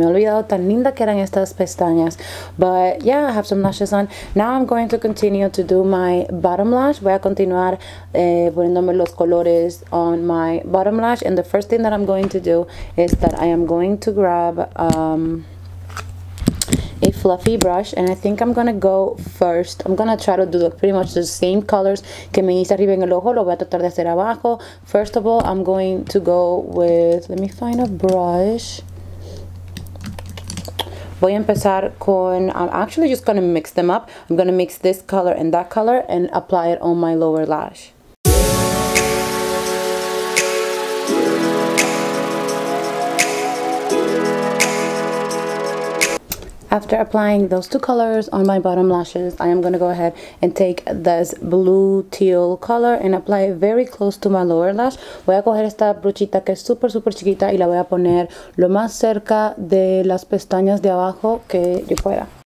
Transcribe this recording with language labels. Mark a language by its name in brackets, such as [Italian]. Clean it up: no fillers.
[Spanish] Me olvidado tan linda que eran estas pestañas. [English] But yeah, I have some lashes on. Now I'm going to continue to do my bottom lash. [Spanish] Voy a continuar poniéndome los colores [English] on my bottom lash. And the first thing that I'm going to do is that I am going to grab a fluffy brush, and I think I'm gonna go first. I'm gonna try to do pretty much the same colors [Spanish] que me hice arriba en el ojo. Lo voy a tratar de hacer abajo. [English] First of all, I'm going to go with, let me find a brush. [Spanish] Voy a empezar con, [English] I'm actually just gonna mix them up. I'm gonna mix this color and that color and apply it on my lower lash. After applying those two colors on my bottom lashes, I am gonna go ahead and take this blue teal color and apply it very close to my lower lash. [Spanish] Voy a coger esta brochita que es super, super chiquita y la voy a poner lo más cerca de las pestañas de abajo que yo pueda.